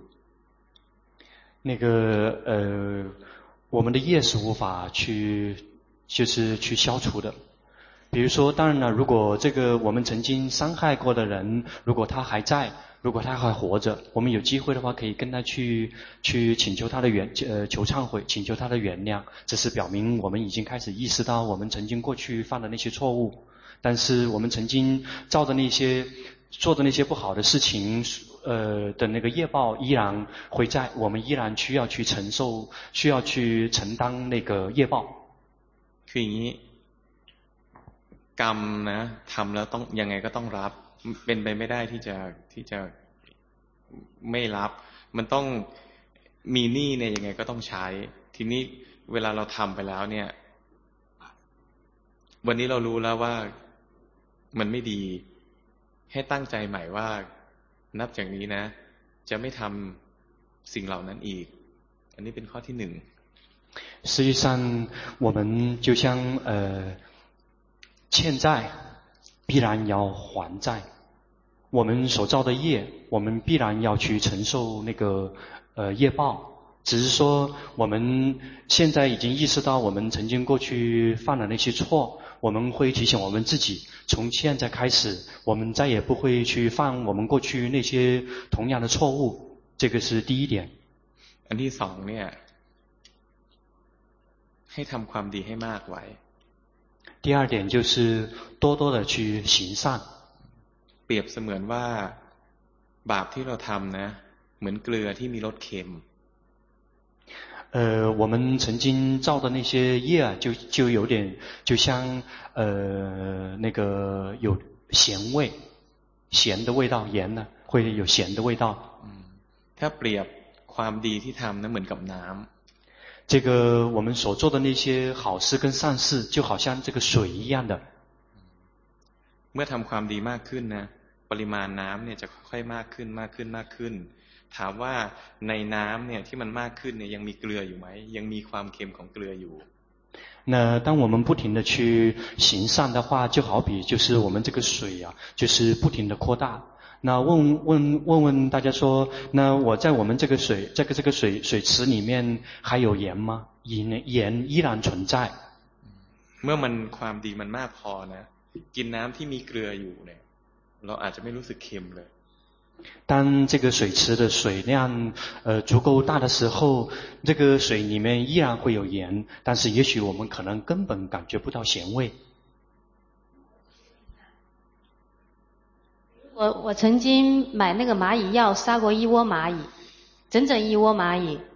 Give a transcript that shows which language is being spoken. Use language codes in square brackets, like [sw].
[zh] 那个我们的业是无法去就是去消除的，比如说当然了，如果这个我们曾经伤害过的人，如果他还在，如果他还活着，我们有机会的话可以跟他去请求他的原求忏悔，请求他的原谅，这是表明我们已经开始意识到我们曾经过去犯的那些错误，但是我们曾经造的那些做的那些不好的事情的那个业报依然会在，我们依然需要去承受，需要去承担那个业报。 [th] คืออย่างนี้กรรมนะทำแล้วต้องยังไงก็ต้องรับเป็นไปไม่ได้ที่จะไม่รับมันต้องมีหนี้เนี่ยยังไงก็ต้องใช้ทีนี้เวลาเราทำไปแล้วเนี่ยวันนี้เรารู้แล้วว่ามันไม่ดีให้ตั้งใจใหม่ว่านับจากนี้นะจะไม่ทำสิ่งเหล่านั้นอีกอันนี้เป็นข้อที่หนึ่ง [zh] 实际上我们就像欠债必然要还债我们所造的业我们必然要去承受那个业报只是说我们现在已经意识到我们曾经过去犯了那些错我们会提醒我们自己从现在开始我们再也不会去犯我们过去那些同样的错误这个是第一点 [th] อันที่สองเนี่ยให้ทำความดีให้มากไว้ [zh] 第二点就是多多的去行善 [th] เปรียบเสมือนว่าบาปที่เราทำนะเหมือนเกลือที่มีรสเค็ม [zh] 我们曾经造的那些业啊，就有点就像那个有咸味，咸的味道，盐呢会有咸的味道。嗯，它 [th] เปรียบความดีที่ทำนั้นเหมือนกับน้ำ。 [zh] 这个我们所做的那些好事跟善事，就好像这个水一样的。 [th] เมื่อทำความดีมากขึ้นนะ，ปริมาณน้ำเนี่ยจะค่อยมากขึ้นมากขึ้นมากขึ้นถามว่าในน้ำเนี่ยที่มันมากขึ้นเนี่ยยังมีเกลืออยู่ไหมยังมีความเค็มของเกลืออยู่ [zh] 那当我们不停的去行善的话就好比就是我们这个水啊就是不停的扩大那问大家说那我在我们这个水这个水池里面还有盐吗盐依然存在 [th] เมื่อมันความดีมันมากพอนะกินน้ำที่มีเกลืออยู่เนี่ยเราอาจจะไม่รู้สึกเค็มเลย [zh] 当这个水池的水量足够大的时候，这个水里面依然会有盐，但是也许我们可能根本感觉不到咸味。我曾经买那个蚂蚁药杀过一窝蚂蚁，整整一窝蚂蚁。